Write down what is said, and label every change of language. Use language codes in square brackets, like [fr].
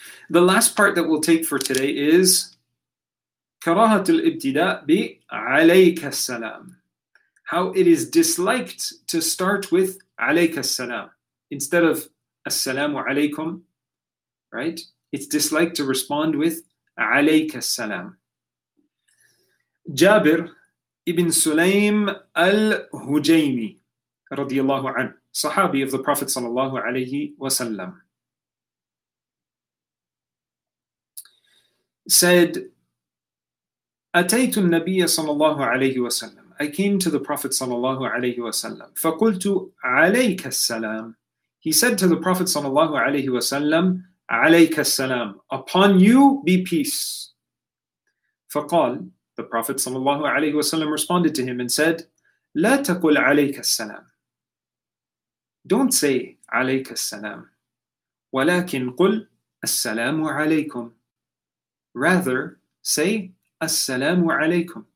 [en] The last part that we'll take for today is [ar] كَرَاهَةُ الْإِبْتِدَاءِ بِعَلَيْكَ السَّلَامِ. [en] How it is disliked to start with [ar] عَلَيْكَ السَّلَامِ [en] instead of [ar] السَّلَامُ عَلَيْكُمْ, [en] right? It's disliked to respond with [ar] عَلَيْكَ السَّلَامِ. [en] Jabir ibn Sulaym al-Hujaymi رضي الله عنه, Sahabi of the Prophet صلى الله عليه وسلم, said, [ar] أتيت النبي صلى الله عليه وسلم. [en] I came to the Prophet صلى الله عليه وسلم. [ar] فقلت عليك السلام. [en] He said to the Prophet صلى الله عليه وسلم, [ar] عليك السلام. [en] Upon you be peace. [ar] فقال, [en] the Prophet صلى الله عليه وسلم responded to him and said, [ar] لا تقل عليك السلام. [en] Don't say [ar] عليك السلام. ولكن قل السلام عليكم. [en] Rather, say [ar] السلام عليكم.